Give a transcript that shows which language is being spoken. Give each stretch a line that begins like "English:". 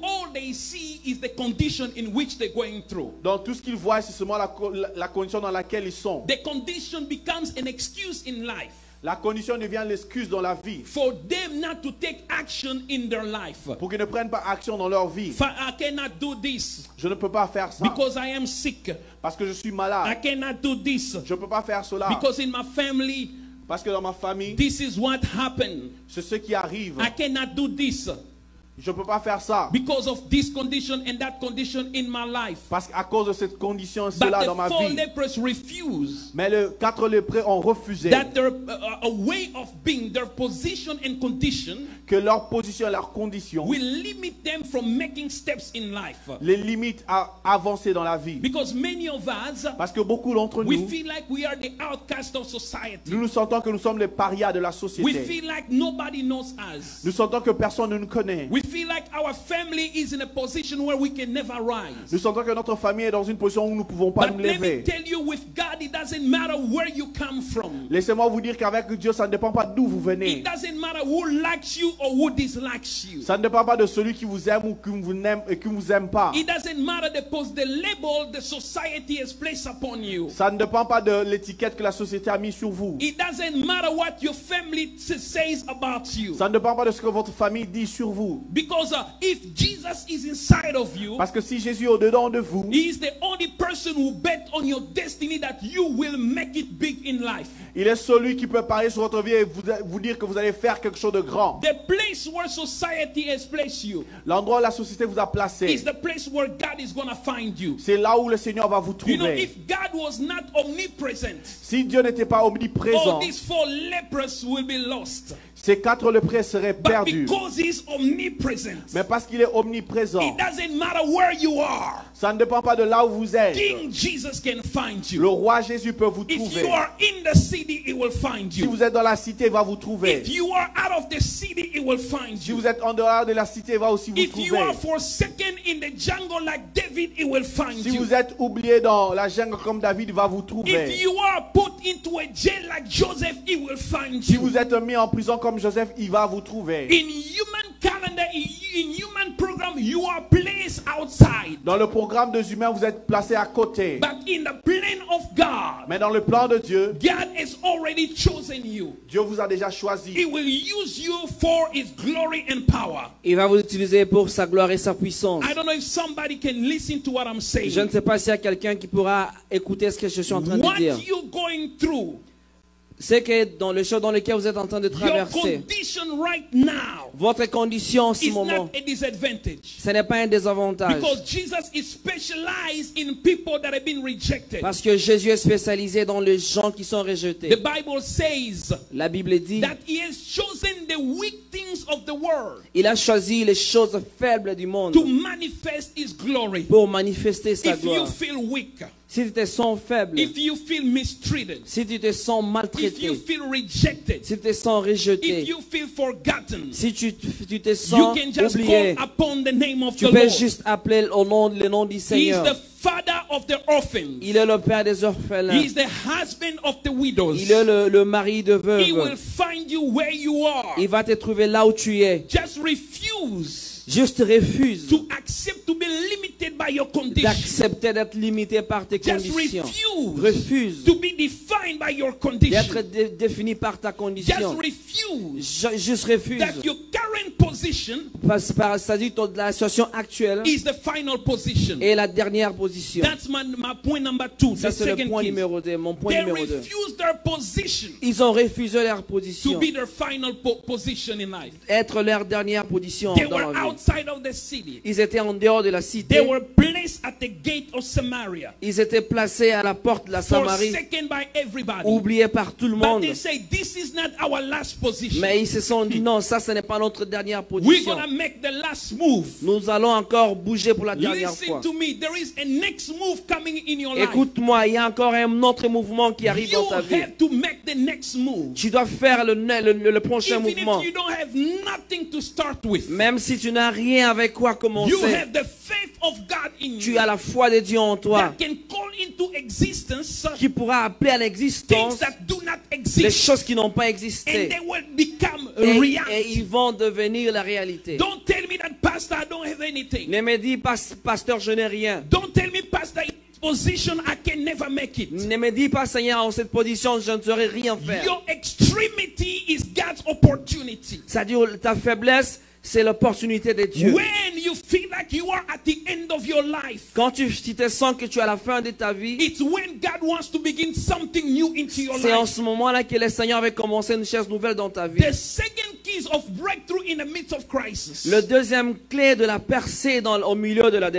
English: That all they see is the condition in which they're going through.
French: Donc tout ce qu'ils voient, c'est seulement la condition dans laquelle ils sont.
English: The condition becomes an excuse in life.
French: La condition devient l'excuse dans la vie.
English: For them not to take action in their life.
French: Pour qu'ils ne prennent pas action dans leur vie.
English: I cannot do this.
French: Je ne peux pas faire ça.
English: Because I am sick.
French: Parce que je suis malade.
English: I cannot do this.
French: Je ne peux pas faire cela.
English: Because in my family.
French: Parce que dans ma famille,
English: this is what happened.
French: C'est ce qui arrive.
English: I cannot do this.
French: Je peux pas faire ça.
English: Because of this condition and that condition in my life.
French: Parce qu'à cause de cette condition cela dans ma vie.
English: But the four lepers refused.
French: Mais les quatre lépreux ont refusé.
English: That their a way of being, their position and condition.
French: Que leur position, leur condition.
English: Will limit them from making steps in life.
French: Les limite à avancer dans la vie.
English: Because many of us.
French: Parce que beaucoup d'entre nous.
English: We feel like we are the outcast of society.
French: Nous nous sentons que nous sommes les parias de la société.
English: We feel like nobody knows us.
French: Nous sentons que personne ne nous connaît.
English: We feel like our family is in a position where we can never rise.
French: Nous sentons que notre famille est dans une position où nous pouvons pas
English: but
French: nous lever.
English: But let me tell you, with God, it doesn't matter where you come from.
French: Laissez-moi vous dire qu'avec Dieu, ça ne dépend pas d'où vous venez.
English: It doesn't matter who likes you or who dislikes you.
French: Ça ne dépend pas de celui qui vous aime ou qui vous aime pas.
English: It doesn't matter the label the society has placed upon you.
French: Ça ne dépend pas de l'étiquette que la société a mis sur vous.
English: It doesn't matter what your family says about you.
French: Ça ne dépend pas de ce que votre famille dit sur vous.
English: Because if Jesus is inside of you,
French: parce que si Jésus est au-dedans de vous,
English: he is the only person who bet on your destiny that you will make it big in life.
French: Il est celui qui peut parier sur votre vie et vous dire que vous allez faire quelque chose de grand.
English: The place where society has placed you,
French: l'endroit où la société vous a placé,
English: is the place where God is going to find you.
French: C'est là où le Seigneur va vous trouver.
English: You know, if God was not omnipresent,
French: si Dieu n'était pas omniprésent,
English: all these four lepers will be lost.
French: Ces quatre leprés seraient perdus.
English: But because he's omnipresent,
French: mais parce qu'il est omniprésent,
English: it doesn't matter where you are,
French: ça ne dépend pas de là où vous êtes.
English: King Jesus can find you.
French: Le roi Jésus peut vous trouver.
English: If you are in the city, he will find you.
French: Si vous êtes dans la cité, il va vous trouver.
English: If you are out of the city, he will find you.
French: Si vous êtes en dehors de la cité, il va aussi vous
English: if
French: trouver.
English: If you are forsaken in the jungle like David, he will find
French: si
English: you.
French: Si vous êtes oublié dans la jungle comme David, il va vous trouver.
English: If you are put into a jail like Joseph, he will find you.
French: Si vous êtes mis en prison comme Joseph, il va vous trouver.
English: In human calendar, in human program, you are placed outside.
French: Dans le programme des humains, vous êtes placé à côté.
English: But in the plan of God,
French: mais dans le plan de Dieu,
English: God has already chosen you.
French: Dieu vous a déjà choisi.
English: He will use you for his glory and power.
French: Il va vous utiliser pour sa gloire et sa puissance.
English: I don't know if somebody can listen to what I'm saying.
French: Je ne sais pas s'il y a quelqu'un qui pourra écouter ce que je suis en train de dire.
English: What you're going through,
French: c'est que dans le champ dans lequel vous êtes en train de traverser,
English: condition right now,
French: votre condition en ce moment, ce n'est pas un désavantage.
English: Because Jesus is specialized in people that have been rejected.
French: Parce que Jésus est spécialisé dans les gens qui sont rejetés.
English: The Bible says,
French: la Bible dit,
English: that he has chosen the weak things of the world,
French: il a choisi les choses faibles du monde
English: to manifest his glory,
French: pour manifester sa
English: if
French: gloire.
English: You feel weak,
French: si tu te sens faible,
English: if you feel mistreated,
French: si tu te sens maltraité,
English: if you feel rejected,
French: si tu te sens rejeté,
English: if you feel forgotten,
French: si tu te sens
English: you can just
French: oublié,
English: call upon the name of
French: tu
English: the
French: peux
English: Lord.
French: Juste appeler le nom du Seigneur.
English: He is the father of the orphans.
French: Il est le père des orphelins.
English: He is the husband of the widows.
French: Il est le mari de veuve.
English: He will find you where you are.
French: Il va te trouver là où tu es.
English: Just refuse.
French: Juste refuse
English: to accept to be limited by your condition.
French: D'accepter d'être limité par tes
English: just
French: conditions.
English: Refuse,
French: refuse
English: to be defined by your condition.
French: D'être défini par ta condition.
English: Just refuse
French: juste refuse
English: that your current position
French: c'est-à-dire la situation actuelle
English: is the final position.
French: Est la dernière position.
English: That's my point number two.
French: Ça c'est le point numéro deux. Mon point
English: they
French: numéro deux.
English: They refuse their position.
French: Ils ont refusé leur position.
English: To be their final position in life.
French: Être leur dernière position
English: they
French: dans la vie.
English: Outside of the city.
French: Ils étaient en dehors de la cité.
English: They were placed at the gate of Samaria.
French: Ils étaient placés à la porte de la Samarie.
English: Forsaken by everybody.
French: Oubliés par tout le monde.
English: But they say, this is not our last position.
French: Mais ils se sont dit non, ça ce n'est pas notre dernière position.
English: We're gonna make the last move.
French: Nous allons encore bouger pour la dernière
English: listen
French: fois.
English: To me. There is a next move coming in your
French: écoute-moi,
English: life.
French: Il y a encore un autre mouvement qui arrive
English: you
French: dans ta
English: have
French: vie.
English: To make the next move.
French: Tu dois faire le prochain
English: even
French: mouvement.
English: If you don't have nothing to start with.
French: Même si tu n'as rien avec quoi commencer.
English: You have the faith of God in
French: tu as la foi de Dieu en toi
English: that can call into existence
French: qui pourra appeler à l'existence
English: things that do not exist.
French: Les choses qui n'ont pas existé
English: and they will become
French: et,
English: reality.
French: Et ils vont devenir la réalité.
English: Don't tell me that pastor, I don't have anything.
French: Ne me dis pas, pasteur, je n'ai rien.
English: Don't tell me, pastor, position, I can never make it.
French: Ne me dis pas, Seigneur, en cette position, je ne saurais rien faire.
English: Your extremity is God's opportunity.
French: C'est-à-dire ta faiblesse, c'est l'opportunité de Dieu.
English: When you feel like you are at the end of your life,
French: quand tu te sens que tu es à la fin de ta vie,
English: it's when God wants to begin something new into your life.
French: C'est en ce moment-là que le Seigneur avait commencé une chose nouvelle dans ta vie.
English: The second keys of breakthrough in the midst of crisis.
French: Le deuxième clé de la percée dans au milieu de la